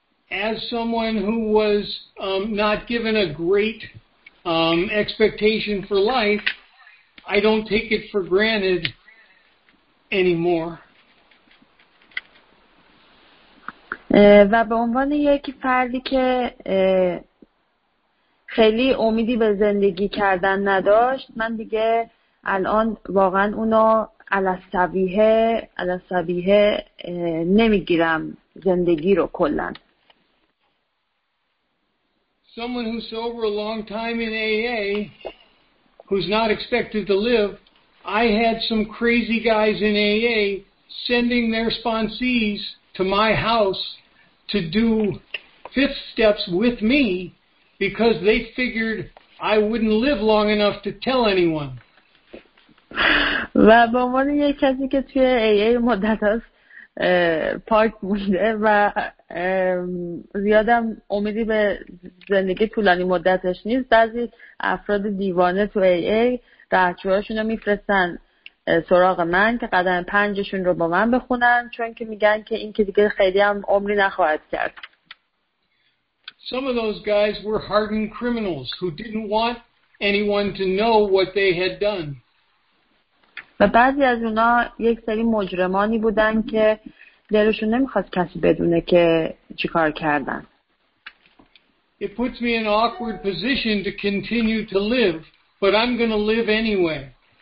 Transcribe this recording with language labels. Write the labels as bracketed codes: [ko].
[en] As someone who was not given a great expectation for life, I don't take it for granted anymore. [fa] و به عنوان یک فردی که خیلی امیدی به زندگی کردن نداشت، من دیگه الان واقعا اونو علی‌السبیحه نمیگیرم زندگی رو کلن. [en] Someone who's sober a long time in AA who's not expected to live, I had some crazy guys in AA sending their sponsees to my house to do fifth steps with me because they figured I wouldn't live long enough to tell anyone. [fa] و به عنوان یک کسی که توی AA مدت هست پارک مونده و زیادم امیدی به زندگی طولانی مدتش نیست. بعضی افراد دیوانه تو ای ای رهجوهاشون رو میفرستن سراغ من که قدم پنجشون رو با من بخونن، چون که میگن که این که دیگه خیلی هم عمری نخواهد کرد. [en] Some of those guys were hardened criminals who didn't want anyone to know what they had done. [fa] و بعضی از اونا یک سری مجرمانی بودن که دلشون نمیخواست کسی بدونه که چیکار کردن. [en] It puts me in an awkward position to continue to live, but I'm going to live anyway.